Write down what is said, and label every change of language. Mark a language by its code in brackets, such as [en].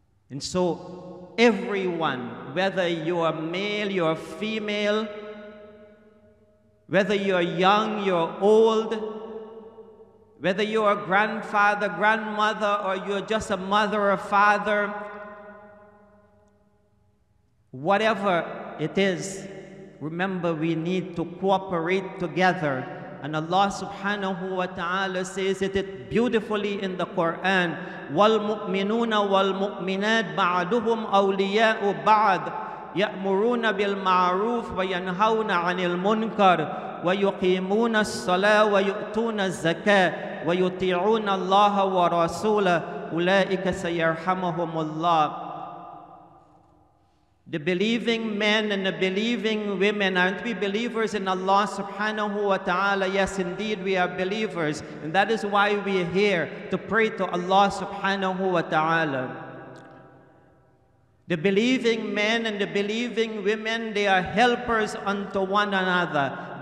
[en] And so everyone, whether you are male, you are female, whether you are young, you are old, whether you are grandfather, grandmother, or you are just a mother or father, whatever it is, remember we need to cooperate together. And Allah subhanahu wa ta'ala says it beautifully in the Quran, [ar] وَالْمُؤْمِنُونَ وَالْمُؤْمِنَاتِ بَعْدُهُمْ أَوْلِيَاءُ بَعْدِ يَأْمُرُونَ بِالْمَعْرُوفِ وَيَنْهَوْنَ عَنِ الْمُنْكَرِ وَيُقِيمُونَ الصَّلَاةَ وَيُؤْتُونَ الزَّكَاةَ وَيُطِيعُونَ اللَّهَ وَرَسُولَهُ أُولَئِكَ سَيَرْحَمُهُمُ اللَّهُ. [en] The believing men and the believing women, aren't we believers in Allah subhanahu wa ta'ala? Yes, indeed, we are believers. And that is why we are here, to pray to Allah subhanahu wa ta'ala. The believing men and the believing women, they are helpers unto one another.